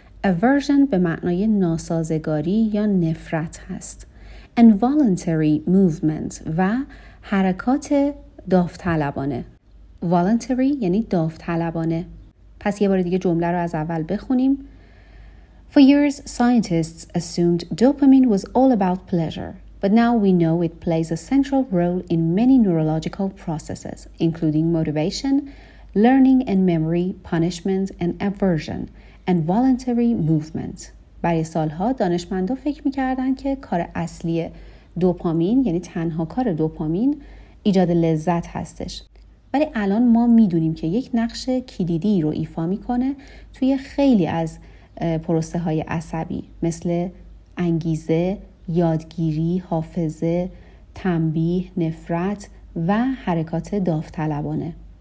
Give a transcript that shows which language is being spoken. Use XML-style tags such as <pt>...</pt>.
<fa>Aversion به معنای ناسازگاری یا نفرت هست.</fa> <en>And voluntary movement</en> <fa>و حرکات داوطلبانه. Voluntary یعنی داوطلبانه. پس یه بار دیگه جمله رو از اول بخونیم.</fa> <en>For years, scientists assumed dopamine was all about pleasure. But now we know it plays a central role in many neurological processes, including motivation, learning and memory, punishment and aversion, and voluntary movement.</en> <fa>برای سالها دانشمندا فکر میکردن که کار اصلی دوپامین، یعنی تنها کار دوپامین، ایجاد لذت هستش. ولی الان ما میدونیم که یک نقش کلیدی رو ایفا میکنه توی خیلی از پروسه های عصبی مثل انگیزه، یادگیری، حافظه، تنبیه، نفرت و حرکات داوطلبانه.</fa>